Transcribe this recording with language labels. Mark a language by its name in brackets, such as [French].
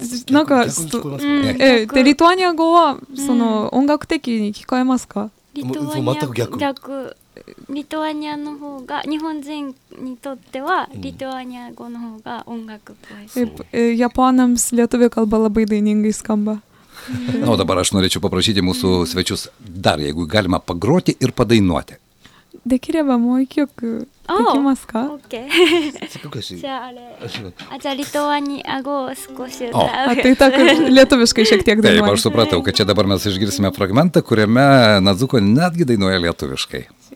[Japanese] なんか、で、リトアニア語は、その、音楽的に聞こえますか？リトアニア、逆。リトアニアの方が、日本人にとっては、リトアニア語の方が音楽っぽい。 [Lithuanian] Japonams lietuvių kalba labai dainingai skamba. Na, o dabar aš norėčiau paprašyti mūsų svečius dar, jeigu galima pagroti ir padainuoti. [Japanese] できればもう一曲できますか？オッケー。じゃああれ。あじゃあリトアニア語を少し歌う。 [Lithuanian] あ、あ、tai так, lietuviškai šiek tiek dainuoja. Taip, aš supratau, kad čia dabar mes išgirsime fragmentą, kuriame Nazuko netgi dainuoja lietuviškai.